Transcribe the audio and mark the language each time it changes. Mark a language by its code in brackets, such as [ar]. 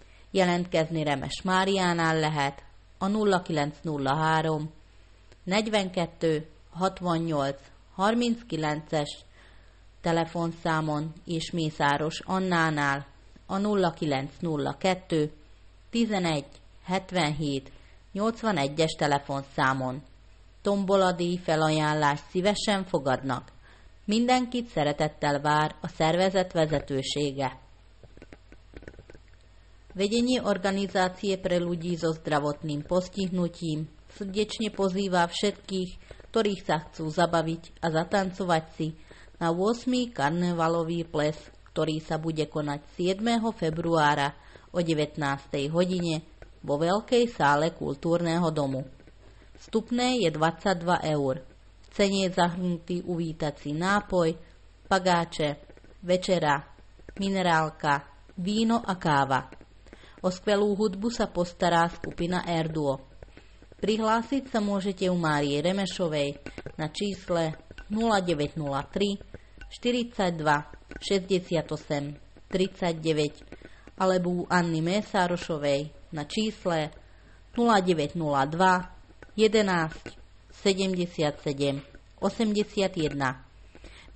[hu] Jelentkezni Remes Máriánál lehet a 0903 42 68 39-es telefonszámon és Mészáros Annánál a 0902 11 77 81-es telefonszámon. Tomboladíj felajánlást szívesen fogadnak. Mindenkit szeretettel vár a szervezet vezetősége. [sk] Vedenie organizácie pre ľudí so zdravotným postihnutím srdečne pozýva všetkých, ktorých sa chcú zabaviť a zatancovať si na 8. karnevalový ples, ktorý sa bude konať 7. februára o 19. hodine vo veľkej sále kultúrneho domu. Vstupné je 22 eur. V cene je zahrnutý uvítací nápoj, pagáče, večera, minerálka, víno a káva. O skvelú hudbu sa postará skupina Erduo. Prihlásiť sa môžete u Márie Remešovej na čísle 0903 42 68 39 alebo u Anny Mészárosovej na čísle 0902 11 77 81.